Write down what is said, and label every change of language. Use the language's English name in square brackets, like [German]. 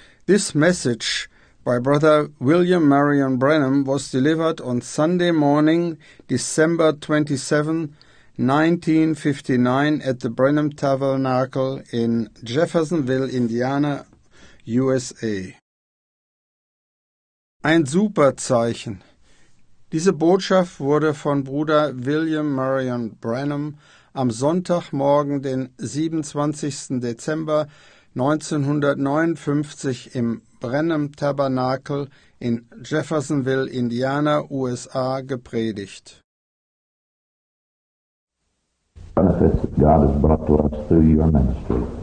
[English] This message by Brother William Marion Branham was delivered on Sunday morning, December 27, 1959, at the Branham Tabernacle in Jeffersonville, Indiana, USA. [German] Ein Superzeichen. Diese Botschaft wurde von Bruder William Marion Branham am Sonntagmorgen, den 27. Dezember 1959 im Branham Tabernacle in Jeffersonville, Indiana, USA, gepredigt. [English] Benefits that God has brought to us through your ministry.